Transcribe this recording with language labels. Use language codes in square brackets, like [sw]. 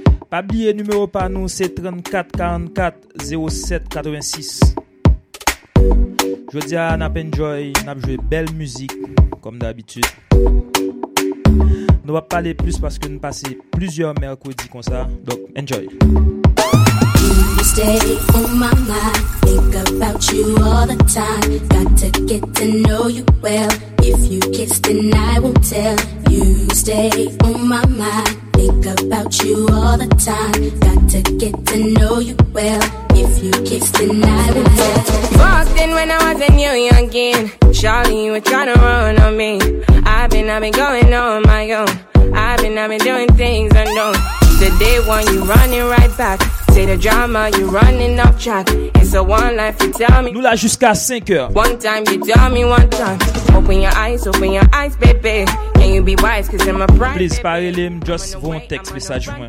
[fr] Pas oublier le numéro par nous, c'est 34 44 07 86. Je dis à Nap Enjoy, Nap joué belle musique, comme d'habitude. Nous ne va pas aller plus parce que nous passons plusieurs mercredis comme ça. Donc, enjoy. [en] You stay on my mind, think about you all the time. Got to get to know you well. If you kiss, then I won't tell. You stay on my mind, think about you all the time. Got to get to know you well. If you kiss, then I won't tell. Boston, when I was a new youngin, Charlie, you were trying to run on me. I've been going on my own. I've been doing things unknown. The day one, you running right back. Say the drama, you running off track. It's a one life, you tell me. [fr] Nous là jusqu'à 5h. [en] One time, you tell me one time. Open your eyes, baby. Can you be wise, cause I'm a pride. Please, parlez-le, just vous text message moi.